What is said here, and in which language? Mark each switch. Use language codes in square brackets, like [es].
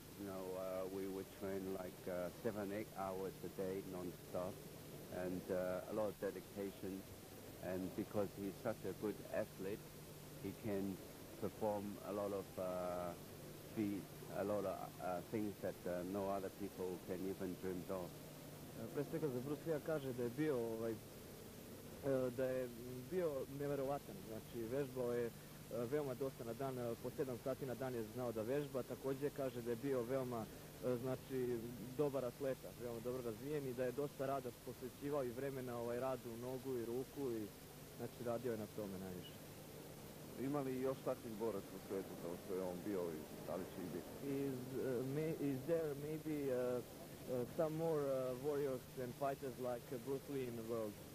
[en] You know, we would train like 7-8 hours a day non-stop. And a lot of dedication. And because he's such a good athlete, he can perform a lot of feats, a lot of things that no other people can even dream of. [sr] Pre svega za Bruce Lee kaže da je bio da je bio neverovatan, znači vežbao je veoma dosta na dan, po 7 sati na dan je znao da vežba, takođe kaže da je bio veoma znači dobar atleta, veoma dobro razvijen i da je dosta rada posvećivao i vremena radu u nogu i ruku i znači radio je na tome najviše. Ima li još takvih boraca u svijetu kao što je on bio i da li će i biti? [en] Is there maybe some more warriors and fighters like Bruce Lee in the world?